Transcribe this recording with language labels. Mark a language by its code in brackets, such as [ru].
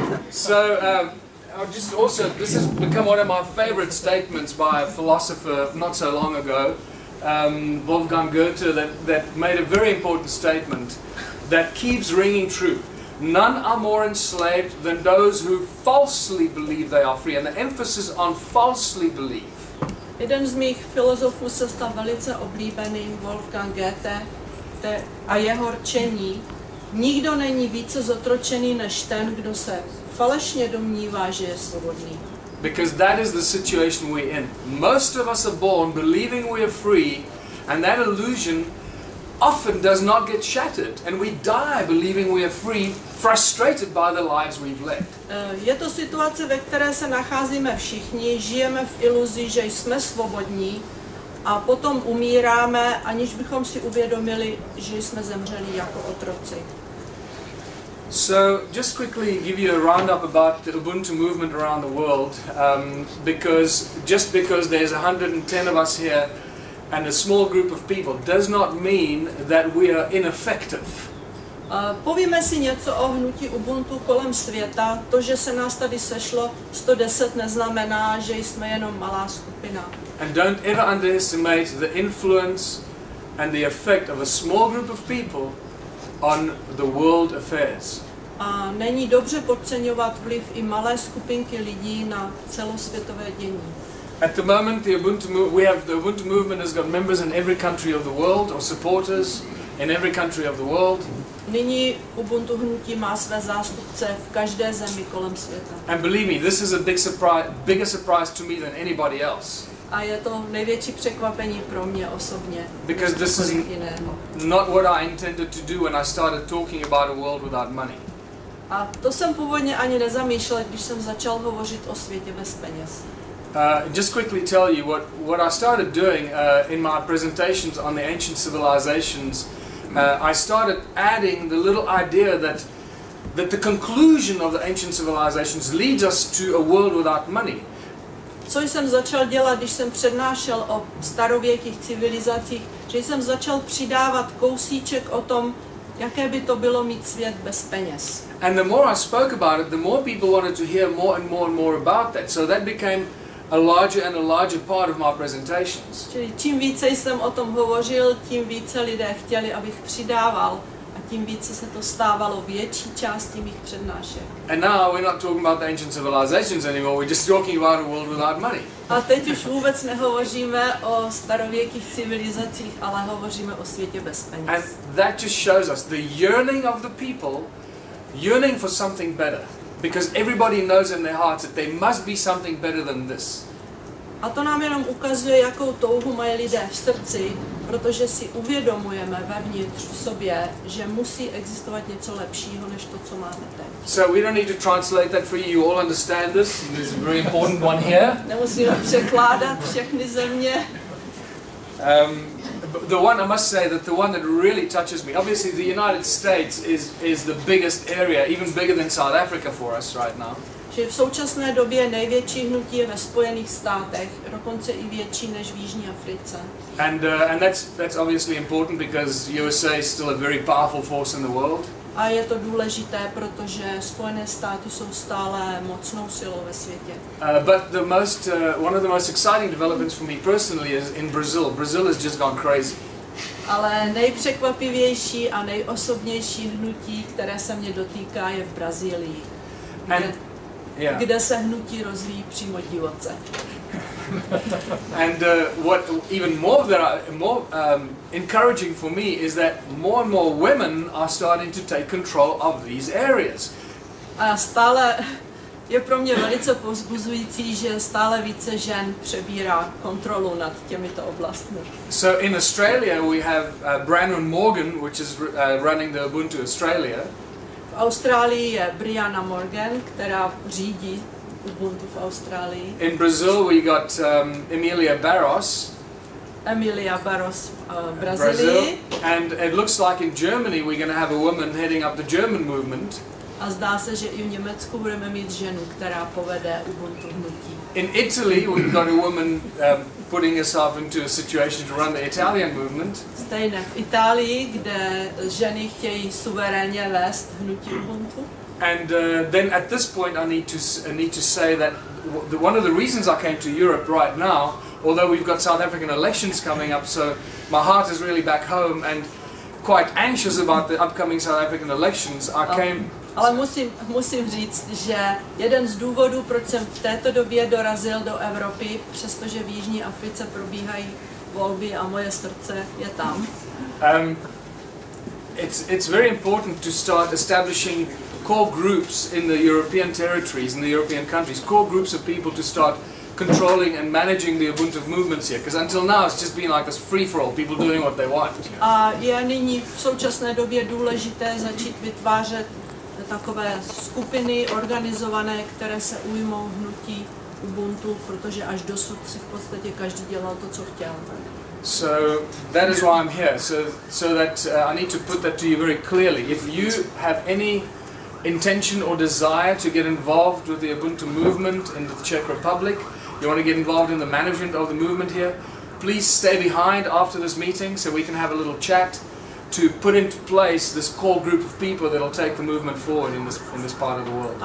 [en] So just also, this has become one of my favorite statements by a philosopher not so long ago, Wolfgang Goethe, that made a very important statement that keeps ringing true. None are more enslaved than those who falsely believe they are free, and the emphasis on falsely believe. [cs] Jeden z mých filozofů se stal velice oblíbeným, Wolfgang Goethe, a jeho rčení. Nikdo není více zotročený než ten, kdo se falešně domnívá, že je svobodný. [en] Because that is the situation we're in. Most of us are born believing we are free, and that illusion often does not get shattered, and we die believing we are free, frustrated by the lives we've led. [cs] Je to situace, ve které se nacházíme všichni, žijeme v iluzi, že jsme svobodní, a potom umíráme, aniž bychom si uvědomili, že jsme zemřeli jako otroci. [en] So, just quickly give you a roundup about the Ubuntu movement around the world, because there's 110 of us here, and a small group of people does not mean that we are ineffective. [cs] Povíme si něco o hnutí Ubuntu kolem světa. To, že se nás tady sešlo 110, neznamená, že jsme jenom malá skupina. [en] And don't ever underestimate the influence and the effect of a small group of people on the world affairs. [cs] A není dobře podceňovat vliv i malé skupinky lidí na celosvětové dění. [en] At the moment, the Ubuntu movement has got members in every country of the world, or supporters in every country of the world. [cs] Nyní Ubuntu hnutí má své zástupce v každé zemi kolem světa. [en] And believe me, this is a big surprise, bigger surprise to me than anybody else. [cs] A je to největší překvapení pro mě osobně. [en] Because this is not what I intended to do when I started talking about a world without money. [cs] A to jsem původně ani nezamýšlel, když jsem začal hovořit o světě bez peněz. [en] Just quickly tell you what I started doing in my presentations on the ancient civilizations. I started adding the little idea that the conclusion of the ancient civilizations leads us to a world without money. [cs] Co jsem začal dělat, když jsem přednášel o starověkých civilizacích, že jsem začal přidávat kousíček o tom, jaké by to bylo mít svět bez peněz. [en] And the more I spoke about it, the more people wanted to hear more and more and more about that. So that became a larger and a larger part of my presentations. [cs] Čili čím více jsem o tom hovořil, tím více lidé chtěli, abych přidával, a tím více se to stávalo větší částí mých přednášek. [en] And now we're not talking about the ancient civilizations anymore. We're just talking about a world without money. [cs] A teď už vůbec nehovoříme o starověkých civilizacích, ale hovoříme o světě bez peněz. [en] And that just shows us the yearning of the people, yearning for something better. Because everybody knows in their hearts that there must be something better than this. [cs] A to nám jenom ukazuje, jakou touhu mají lidé v srdci, protože si uvědomujeme vevnitř v sobě, že musí existovat něco lepšího než to, co máme teď. [en] So we don't need to translate that for you. You all understand this. This is a very important one here. [cs] Nemusíme překládat všechny země. [en] The one I must say that the one that really touches me, obviously the United States is the biggest area, even bigger than South Africa for us right now. [cs] Že v současné době největší hnutí je ve Spojených státech, dokonce i větší než v Jižní Africe. [en] And that's obviously important because USA is still a very powerful force in the world. [cs] A je to důležité, protože Spojené státy jsou stále mocnou silou ve světě. [en] But the most one of the most exciting developments for me personally is in Brazil. Brazil has just gone crazy. [cs] Ale nejpřekvapivější a nejosobnější hnutí, které se mě dotýká, je v Brazílii. Kde se hnutí rozvíjí přímo divoce. [en] And what even more encouraging for me is that more and more women are starting to take control of these areas. [cs] A stále je pro mě velice povzbuzující, že stále více žen přebírá kontrolu nad těmito oblastmi. [en] So in Australia we have Brannon Morgan, which is running the Ubuntu Australia. [cs] V Austrálii je Brianna Morgan, která řídí Ubuntu v Austrálii. [en] In Brazil we got Emilia Barros. [cs] Emilia Barros Brazílii. [en] And it looks like in Germany we're going to have a woman heading up the German movement. [cs] A zdá se, že i v Německu budeme mít ženu, která povede Ubuntu hnutí. [en] In Italy we've got a woman putting herself into a situation to run the Italian movement. [cs] Stejně v Itálii, kde ženy chtějí suverénně vést hnutí Ubuntu. [en] And then at this point I need to say that one of the reasons I came to Europe right now, although we've got South African elections coming up, so my heart is really back home and quite anxious about the upcoming South African elections, [cs] Ale musím říct, že jeden z důvodů, proč jsem v této době dorazil do Evropy, přestože v Jižní Africe probíhají volby a moje srdce je tam. [en] It's very important to start establishing core groups in the European territories, in the European countries, core groups of people to start controlling and managing the Ubuntu movements here, because until now it's just been like this free-for-all, people doing what they want. [cs] A je nyní v současné době důležité začít vytvářet takové skupiny organizované, které se ujmou hnutí Ubuntu, protože až dosud si v podstatě každý dělal to, co chtěl. [en] So that is why I'm here. So that I need to put that to you very clearly. If you have any intention or desire to get involved with the Ubuntu movement in the Czech Republic, you want to get involved in the management of the movement here, please stay behind after this meeting so we can have a little chat to put into place this core group of people that will take the movement forward in this part of the world.